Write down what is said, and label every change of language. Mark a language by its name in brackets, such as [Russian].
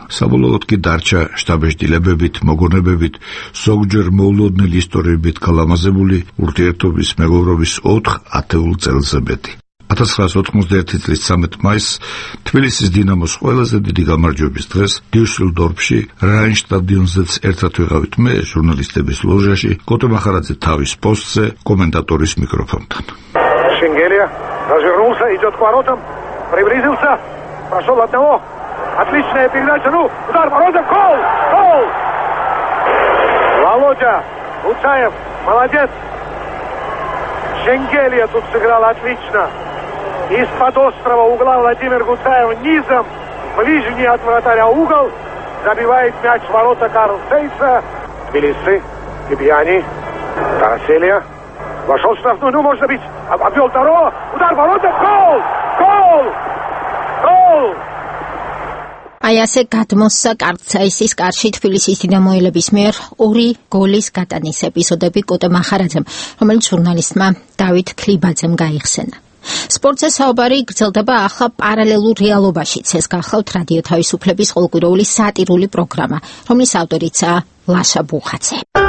[Georgian] საბოლოოდ კი დარჩა შტაბეშდილებებით, მოგონებებით, ზოგჯერ მოულოდნელ ისტორიებით გალამაზებული ურთიერთობის მეგობრობის 4 ათეულ წელზე მეტი. 1991 წლის 13 მაისს თბილისის დინამოს ყველაზე დიდი გამარჯვების დღეს დიუსელდორფში რაინშტადიონზეც ერთად ვიღავით მე ჟურნალისტების ლოჟაში კოტე მახარაძე თავის პოსტზე კომენტატორის მიკროფონთან. [Russian] Шенгелия развернулся, идет к воротам, приблизился, прошел одного, отличная передача, ну удар ворота, гол, гол. Володя Лучаев, молодец. Шенгелия тут сыграл отлично. Из-под острого угла Владимир Гуцаев низом, ближний от вратаря угол, забивает мяч в ворота Карл Зейса. Тбилиси, Кибьяни, Тараселия, вошел в штрафную, ну можно бить, обвел Таро, удар в ворота, гол, гол, гол. [Georgian] აი ასე გადმოსცა კარცაისის კარში თბილისის დინამოელების მიერ ორი გოლის გატანის ეპიზოდები კოტე მახარაძემ, რომელიც ჟურნალისტმა დავით კლიბაძემ გაიხსენა. სპორტზე საუბარი გრძელდება ახლა პარალელურ რეალობაშიც. ეს გახლავთ რადიო თავისუფლების ყოველკვირეული სატირული პროგრამა, რომლის ავტორიცაა ლაშა ბუხაძე.